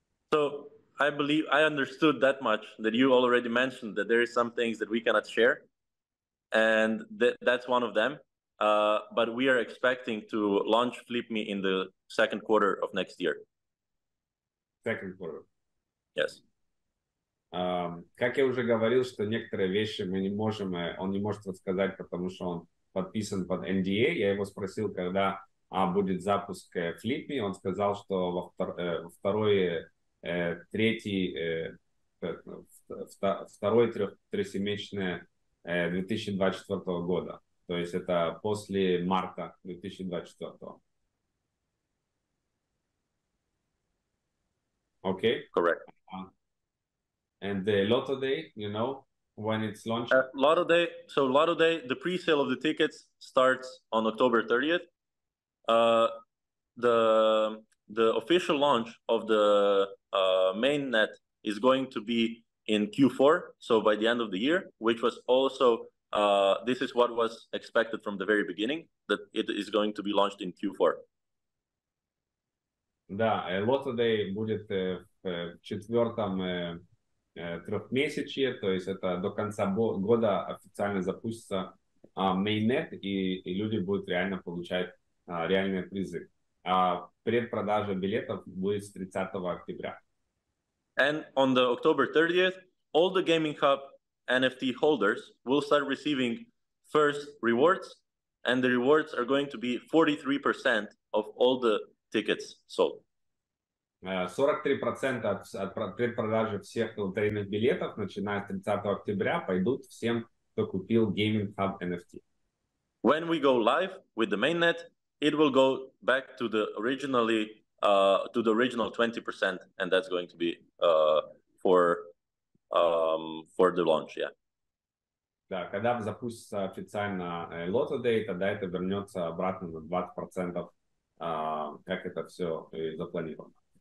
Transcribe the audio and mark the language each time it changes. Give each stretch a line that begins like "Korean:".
English: So I believe I understood that much, that you already mentioned that there is some things that we cannot share. And that's one of them. But we are expecting to launch FlipMe in the second quarter of next year. Second quarter. Yes.
Russian: Как я уже говорил, что некоторые вещи мы не можем, он не может рассказать, потому что он подписан под NDA. Я его спросил, когда будет запуск FlipMe. Он сказал, что во второе трехмесячное 2024 года. То есть это после марта 2024.
English: Okay. Correct. And the Lotto Day, you know, when it's launched? Lotto Day. So Lotto Day, the pre-sale of the tickets starts on October 30th. The official launch of the main net is going to be in Q4, so by the end of the year, which was also this is what was expected from the very beginning, that it is going to be launched in Q4.
Russian: Да, Lotto Day будет в четвертом трехмесячье, то есть это до конца года официально запустится mainnet, и люди будут реально получать реальные призы. А предпродажа билетов будет с 30 октября.
English: And on the October 30th, all the Gaming Hub NFT holders will start receiving first rewards, and the rewards are going to be 43% of all the tickets sold.
Russian: 43% от предпродажи всех лотерейных билетов, начиная с 30 октября, пойдут всем, кто купил Gaming Hub NFT.
English: When we go live with the mainnet, it will go back to the originally to the original 20%, and that's going to be for the launch, yeah.
Russian: Да, когда запустится официально Lotto Day, тогда это вернется обратно на 20%, как это все запланировано.